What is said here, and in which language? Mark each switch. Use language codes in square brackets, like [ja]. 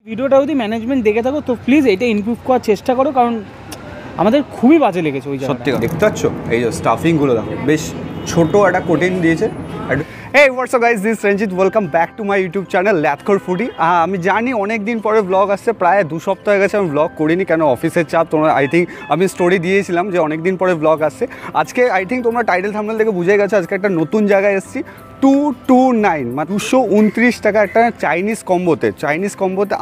[bn] ভিডিওটা যদি ম্যানেজমেন্ট দেখে থাকো তো প্লিজ এটা ইমপ্রুভ করার চেষ্টা করো, কারণ আমাদের খুবই বাজে লেগেছে ওই জায়গাটা। সত্যি দেখতে পাচ্ছ এই যে স্টাফিং গুলো দেখো, বেশ ছোট একটা কোটিং দিয়েছে। [en] Hey, what's up guys, this is Ranjit, welcome back to my YouTube channel, Lathkar Foodie. [bn] আমি জানি অনেক দিন পরে ব্লগ আসছে, প্রায় দু সপ্তাহ হয়ে গেছে আমি ব্লগ করিনি, কেন অফিসের চাপ। তোমরা আই থিঙ্ক আমি স্টোরি দিয়েছিলাম যে অনেক দিন পরে ব্লগ আসছে। আজকে আই থিঙ্ক তোমরা টাইটেল থাম্বনেল থেকে বুঝে গেছো, আজকে একটা নতুন জায়গায় এসেছি। 229 মানে 229 টাকা একটা চাইনিজ কম্বোতে।